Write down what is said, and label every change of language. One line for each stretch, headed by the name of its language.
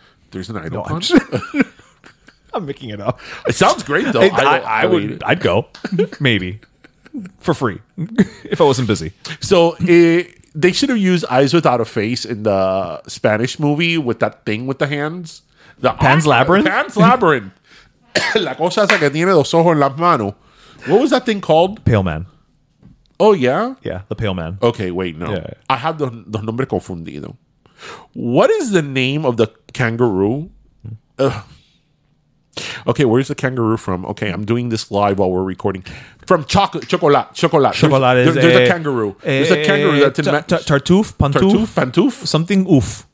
English: There's an IdolCon? No, I'm making it up. It sounds great, though. I'd go. Maybe. For free. If I wasn't busy. So, they should have used Eyes Without a Face in the Spanish movie with that thing with the hands. Pan's Labyrinth.
Spanish: La cosa esa que tiene los ojos en las manos.
English: What was that thing called? Pale Man. Oh, yeah? Yeah, the Pale Man. Okay, wait, no. Yeah. I have the
Spanish: nombre confundido.
English: What is the name of the kangaroo? Okay, where's the kangaroo from? Okay, I'm doing this live while we're recording. From chocolate. There's a kangaroo. There's a kangaroo that's in Tartuffe, Pantouf? Something oof.